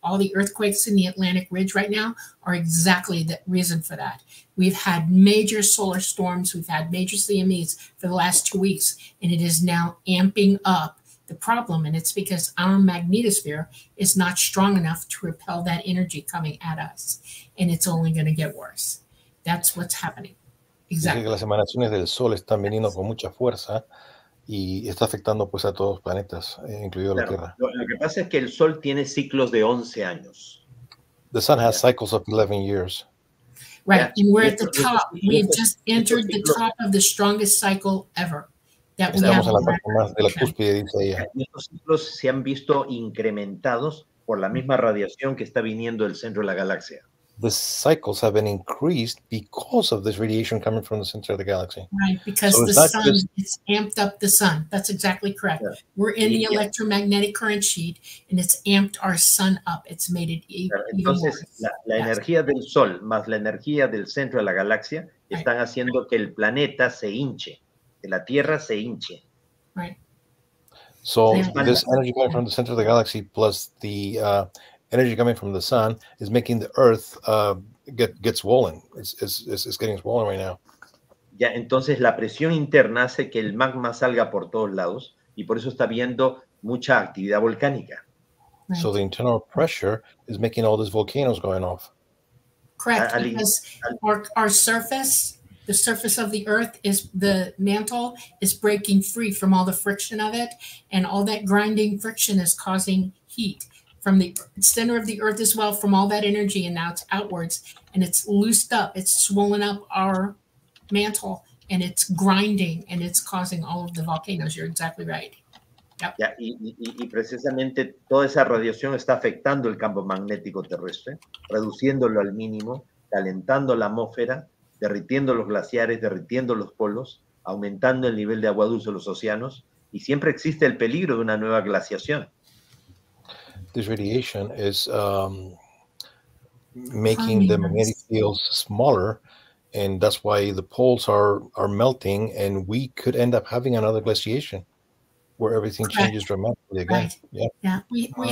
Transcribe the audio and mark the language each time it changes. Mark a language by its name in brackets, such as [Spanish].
[English] All the earthquakes in the Atlantic Ridge right now are exactly the reason for that. We've had major solar storms. We've had major CMEs for the last 2 weeks, and it is now amping up the problem. And it's because our magnetosphere is not strong enough to repel that energy coming at us. And it's only going to get worse. That's what's happening. Exactly. [Spanish] Las emanaciones del sol están viniendo con mucha fuerza y está afectando pues a todos los planetas, incluido la Tierra. Lo que pasa es que el sol tiene ciclos de 11 años. [English] The sun has cycles of 11 years. Right, and we're at the top. We have just entered the top of the strongest cycle ever. [Spanish] Estamos en la parte más de la cúspide, dice ella. Estos ciclos se han visto incrementados por la misma radiación que está viniendo del centro de la galaxia. [English] The cycles have been increased because of this radiation coming from the center of the galaxy. Right, because so the sun, it's amped up the sun. That's exactly correct. Yeah. We're in the electromagnetic current sheet, and it's amped our sun up. It's made it even worse. [Spanish] Entonces, la energía del sol más la energía del centro de la galaxia están haciendo que el planeta se hinche, que la Tierra se hinche. [English] Right. So this energy coming from the center of the galaxy plus the energy coming from the sun is making the earth get swollen. It's getting swollen right now. [Spanish] Ya, entonces la presión interna hace que el magma salga por todos lados y por eso está viendo mucha actividad volcánica. [English] So the internal pressure is making all these volcanoes going off. Correct, because our surface, the surface of the earth, is the mantle is breaking free from all the friction of it, and all that grinding friction is causing heat. From the center of the earth as well, from all that energy, and now it's outwards, and it's loosed up, it's swollen up our mantle, and it's grinding, and it's causing all of the volcanoes. You're exactly right. Yep. [Spanish] Yeah, y precisamente toda esa radiación está afectando el campo magnético terrestre, reduciéndolo al mínimo, calentando la atmósfera, derritiendo los glaciares, derritiendo los polos, aumentando el nivel de agua dulce en los océanos, y siempre existe el peligro de una nueva glaciación. [English] This radiation is making the magnetic fields smaller, and that's why the poles are melting, and we could end up having another glaciation where everything changes dramatically again. Right.